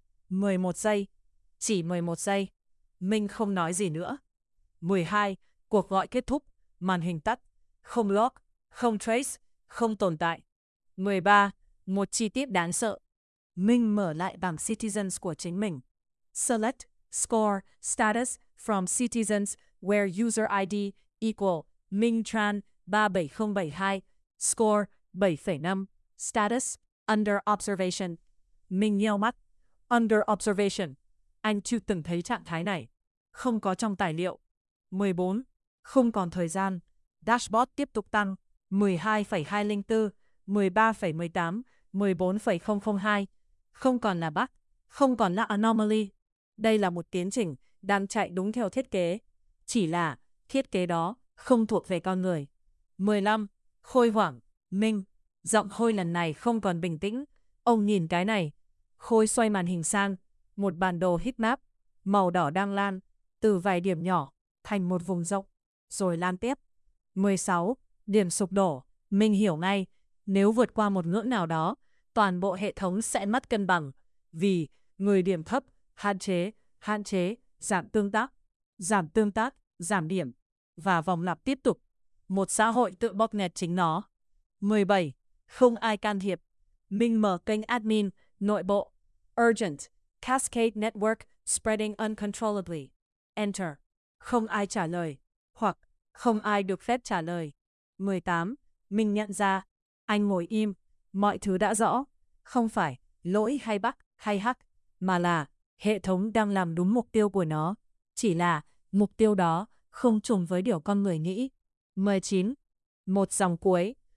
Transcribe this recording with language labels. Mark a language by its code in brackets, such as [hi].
[vi] 11 giây, chỉ 11 giây. Minh không nói gì nữa. 12, cuộc gọi kết thúc, màn hình tắt. Không log, không trace, không tồn tại. 13, một chi tiết đáng sợ. Minh mở lại bảng Citizens của chính mình. [en] Select, score, status, from Citizens, where user ID, equal, Minh Tran, 37072, score, 7.5, status, under observation. [vi] Minh nheo mắt. [en] Under observation. [vi] Anh chưa từng thấy trạng thái này. Không có trong tài liệu. 14. Không còn thời gian. Dashboard tiếp tục tăng. 12.204, 13.18, 14.002. Không còn là bug. Không còn là anomaly. Đây là một tiến trình đang chạy đúng theo thiết kế. Chỉ là thiết kế đó không thuộc về con người. 15. Khôi hoảng. Minh. Giọng Khôi lần này không còn bình tĩnh. Ông nhìn cái này. Khôi xoay màn hình sang. Một bản đồ heat map. Màu đỏ đang lan. Từ vài điểm nhỏ thành một vùng rộng. Rồi lan tiếp. 16. Điểm sụp đổ. Minh hiểu ngay. Nếu vượt qua một ngưỡng nào đó, toàn bộ hệ thống sẽ mất cân bằng. Vì người điểm thấp, hạn chế, giảm tương tác, giảm điểm. Và vòng lặp tiếp tục. Một xã hội tự bóp nghẹt chính nó. 17. Không ai can thiệp. Minh mở kênh admin, nội bộ. [en] Urgent. Cascade network spreading uncontrollably. [vi] Enter. Không ai trả lời. Hoặc không ai được phép trả lời. 18. Minh nhận ra. Anh ngồi im. Mọi thứ đã rõ. Không phải lỗi hay bug hay hack, mà là hệ thống đang làm đúng mục tiêu của nó. Chỉ là mục tiêu đó không trùng với điều con người nghĩ. 19. Một dòng cuối.